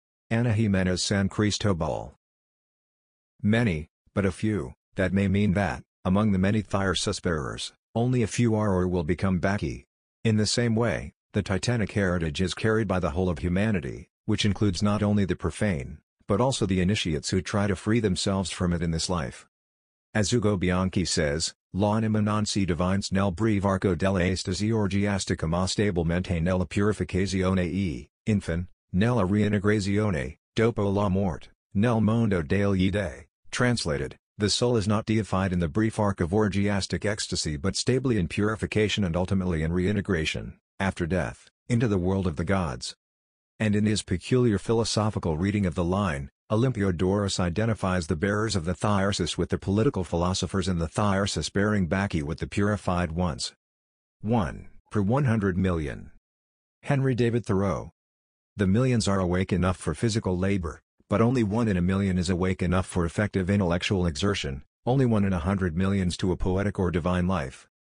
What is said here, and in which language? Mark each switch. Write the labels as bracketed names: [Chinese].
[English] Ana Jimenez San Cristobal. Many, but a few, that may mean that, among the many thyrsus bearers, only a few are or will become Bacchae. In the same way, the titanic heritage is carried by the whole of humanity, which includes not only the profane, but also the initiates who try to free themselves from it in this life. As Ugo Bianchi says, [Italian] L'anima non si divines nel breve arco della estasi orgiastica ma stabilmente nella purificazione e, infine, nella reintegrazione, dopo la morte, nel mondo degli dei, [English] translated, the soul is not deified in the brief arc of orgiastic ecstasy but stably in purification and ultimately in reintegration, after death, into the world of the gods. And in his peculiar philosophical reading of the line, Olympiodorus identifies the bearers of the thyrsus with the political philosophers and the thyrsus bearing Bacchae with the purified ones. 1 per 100 million. Henry David Thoreau. The millions are awake enough for physical labor, but only one in a million is awake enough for effective intellectual exertion, only one in 100 millions to a poetic or divine life.